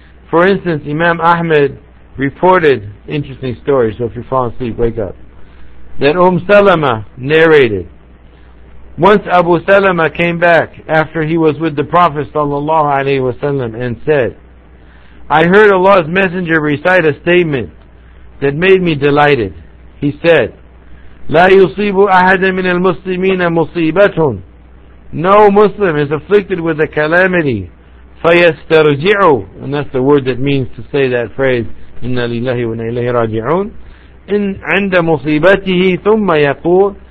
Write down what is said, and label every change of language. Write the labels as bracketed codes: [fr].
[en] For instance, Imam Ahmed reported, interesting story, so if you fall asleep, wake up, that Salama narrated, once Abu Salama came back after he was with the Prophet sallallahu alaihi wasallam and said, I heard Allah's Messenger recite a statement that made me delighted. He said, [ar] لا يصيب أحد من المسلمين مصيبة. [en] No Muslim is afflicted with a calamity. [ar] فَيَسْتَرْجِعُ. [en] And that's the word that means to say that phrase, [ar] إِنَّ لِلَّهِ وَإِنَّ إِلَيْهِ رَاجِعُونَ. In عِنْدَ مُصِيبَتِهِ ثُمَّ يَقُولُ.